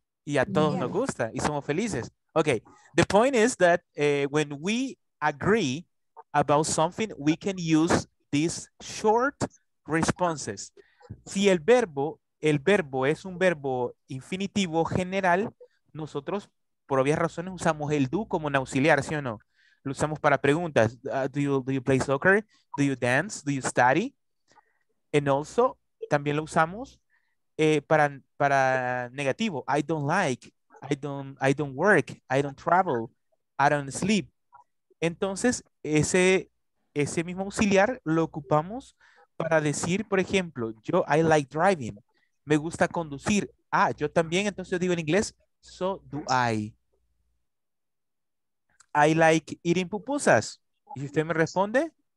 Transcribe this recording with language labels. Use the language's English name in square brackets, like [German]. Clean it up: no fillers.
[Spanish] Y a todos nos gusta y somos felices. [English] Okay, the point is that when we agree about something, we can use this short responses. [Spanish] Si el verbo es un verbo infinitivo general, nosotros por obvias razones usamos el do como un auxiliar, ¿sí o no? Lo usamos para preguntas. [English] Do you play soccer? Do you dance? Do you study? And also, [Spanish] también lo usamos para negativo. [English] I don't like, I don't work, I don't travel, I don't sleep. [Spanish] Entonces, ese mismo auxiliar lo ocupamos para decir, por ejemplo, yo, [English] I like driving, [Spanish] me gusta conducir. Ah, yo también, entonces yo digo en inglés, [English] so do I. I like eating pupusas. [Spanish] ¿Y usted me responde?